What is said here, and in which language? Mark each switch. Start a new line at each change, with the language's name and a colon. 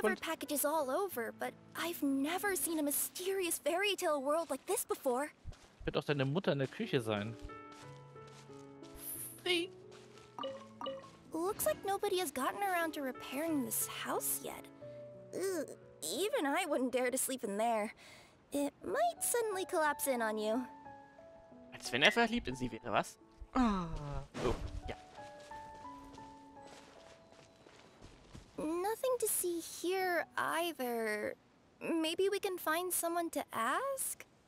English: I've delivered packages all over, but I've never seen a mysterious fairy tale world like this before.
German: Wird doch deine Mutter in der Küche sein.
English: See? Looks like nobody has gotten around to repairing this house yet. Ugh, even I wouldn't dare to sleep in there. It might suddenly collapse in on you.
German: Als wenn er verliebt in sie wäre, was? Oh, ja.
English: Nothing to see here either. Maybe we can find someone to ask?